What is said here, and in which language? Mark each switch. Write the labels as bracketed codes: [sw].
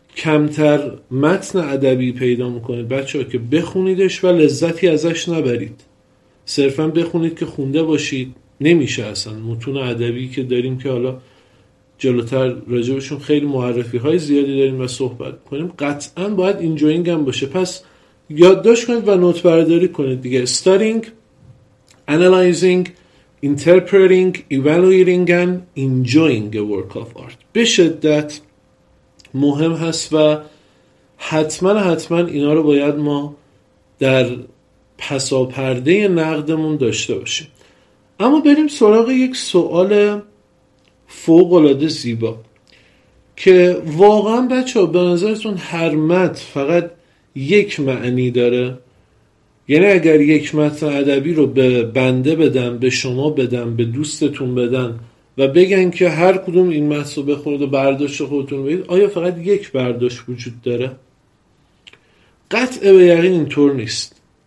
[fa] کمتر متن ادبی پیدا میکنید بچه ها که بخونیدش و لذتی ازش نبرید. صرفا بخونید که خونده باشید نمیشه اصلا. متون ادبی که داریم که حالا جلوتر راجبشون خیلی معرفی های زیادی داریم و صحبت کنیم، قطعا باید اینجوینگ هم باشه. پس یادداشت کنید و نوت برداری کنید دیگه. [en] Studying, Analyzing, Interpreting, Evaluating and Enjoying a Work of Art. [fa] به شدت مهم هست و حتما حتما اینا رو باید ما در پسا پرده نقدمون داشته باشیم. اما بریم سراغ یک سوال فوق العاده زیبا که واقعا بچه ها به نظرتون هر متن فقط یک معنی داره؟ یعنی اگر یک متن ادبی رو به بنده بدن، به شما بدن، به دوستتون بدن و بگن که هر کدوم این متن رو بخورد و برداشت خودتون بگید، آیا فقط یک برداشت وجود داره؟ قطع به یقین اینطور نیست.